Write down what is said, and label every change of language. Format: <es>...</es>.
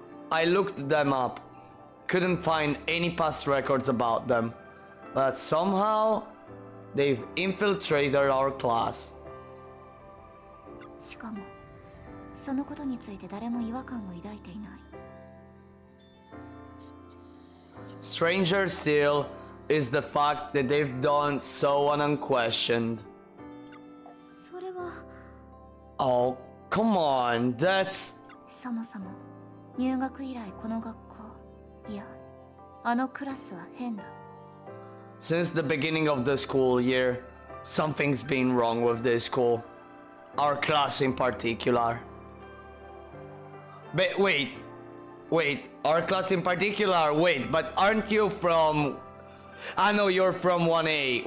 <en>I looked them up. Couldn't find any past records about them. But somehow... They've infiltrated our class.</en> <ja>しかも、そのことについて誰も違和感を抱いていない。</ja> <en>Stranger still is the fact that they've done so unquestioned.</en> <ja>それは…</ja> <en>Oh, come on, that's…</en> <ja>そもそも、入学以来この学校、いや、あのクラスは変だ。</ja> <en>Since the beginning of the school year, something's been wrong with this school. Our class in particular. But wait, Wait, our class in particular? Wait, but aren't you from... I know you're from 1A.</en>